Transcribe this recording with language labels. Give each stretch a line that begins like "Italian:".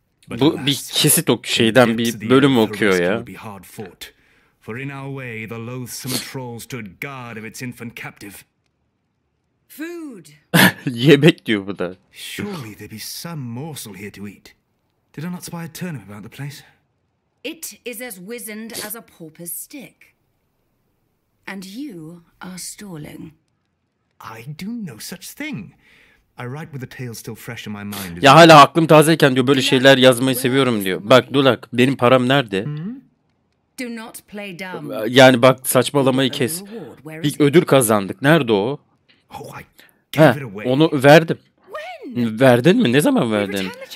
Turkish: Bu bir kesit ok şeyden bir bölüm okuyor ya.
English: For in our way, the loathsome troll stood guard of its infant captive. Food.
Turkish: Yemek diyor bu da.
English: Surely there be some morsel here to eat. Did I not spy a turnip about the place? It is as wizened as a pauper's stick. And you are stalling. I do no such thing. I write with the tale still fresh in my mind.
Turkish: Ya hala aklım tazeyken diyor böyle şeyler yazmayı seviyorum diyor. Bak Dulak, benim param nerede?
English: Do not play dumb.
Turkish: Yani bak saçmalamayı kes. Bir ödül kazandık. Nerede o? Ha, onu verdim. Verdin mi? Ne zaman verdin?